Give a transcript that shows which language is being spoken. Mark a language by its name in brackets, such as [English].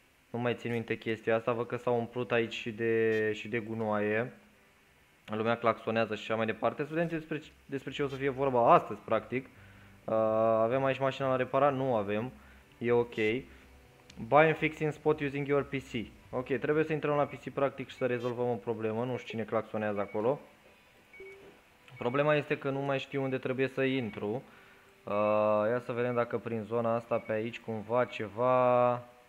[Romanian] Nu mai țin minte chestia asta, văd că s-au umplut aici și de gunoaie. Lumea claxonează și așa mai departe. Să vedem despre ce o să fie vorba astăzi, practic. Avem aici mașina la reparat? Nu avem. E ok. [English] Buy and fix in spot using your PC. [Romanian] Ok, trebuie să intrăm la PC, practic, și să rezolvăm o problemă. Nu știu cine claxonează acolo. Problema este că nu mai știu unde trebuie să intru. Ia să vedem dacă prin zona asta, pe aici, cumva, ceva...